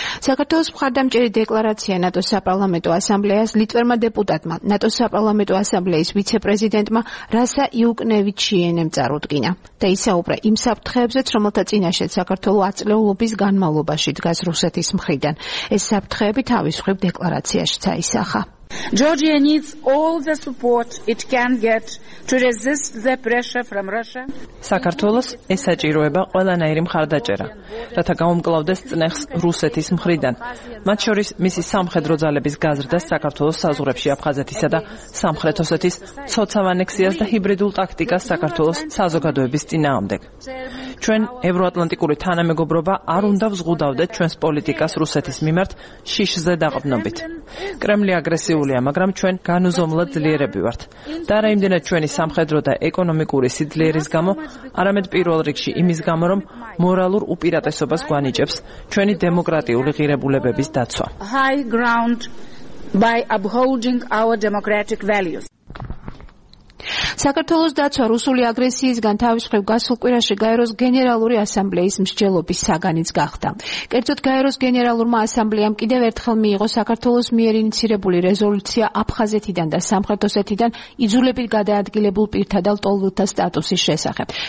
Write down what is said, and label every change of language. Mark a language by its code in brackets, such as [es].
[ka] საქართველოს მხარდამჭერი დეკლარაცია ნატოს საპარლამენტო ასამბლეას ლიტვერმა დეპუტატმა, ნატოს საპარლამენტო ასამბლეის ვიცე-პრეზიდენტმა რასა იუკნევიჩიენემ წარუდგინა და ისაუბრა იმ საფრთხეებზეც, რომელთა წინაშეც საქართველო აწლეულობის განმავლობაში დგას რუსეთის მხრიდან. ეს საფრთხეები თავის მხრივ დეკლარაციაშიც აისახა. [en] Georgia needs all the support it can get to resist the pressure from Russia. [ka] საქართველოს ესაჭიროება ყველანაირი მხარდაჭერა, რათა გამომკლავდეს წნეხს რუსეთის მხრიდან, მათ შორის მისი სამხედრო ძალების გაზრდა საქართველოს საზღვრებში, აფხაზეთისა და სამხრეთ ოსეთის ცოცავ ანექსიას და ჰიბრიდულ ტაქტიკას საქართველოს საზოგადოების წინააღმდეგ. ჩვენ ევროატლანტიკური თანამეგობრობა არ უნდა ვზღუდავდეთ ჩვენს პოლიტიკას რუსეთის მიმართ შიშზე დაყრდნობით. კრემლი აგრესიულია, მაგრამ ჩვენ განუზომლად ძლიერები ვართ. და რაიმდენად ჩვენი სამხედრო და ეკონომიკური სიძლიერის გამო, არამედ პირველ რიგში იმის გამო, რომ მორალურ უპირატესობას გვანიჭებს ჩვენი დემოკრატიული ღირებულებების დაცვა. [en] High ground by upholding our democratic values. [ka] საქართველოს დაცვა რუსული აგრესიისგან თავისუფლ გასულ კვირაში გაეროს გენერალური ასამბლეის მსჯელობის საგანიც გახდა. კერძოდ გაეროს გენერალურმა ასამბლეამ კიდევ ერთხელ მიიღო საქართველოს მიერ ინიცირებული რეზოლუცია აფხაზეთიდან და სამხრეთ ოსეთიდან იძულებით გადაადგილებულ პირთა და ლტოლვილთა სტატუსის შესახებ.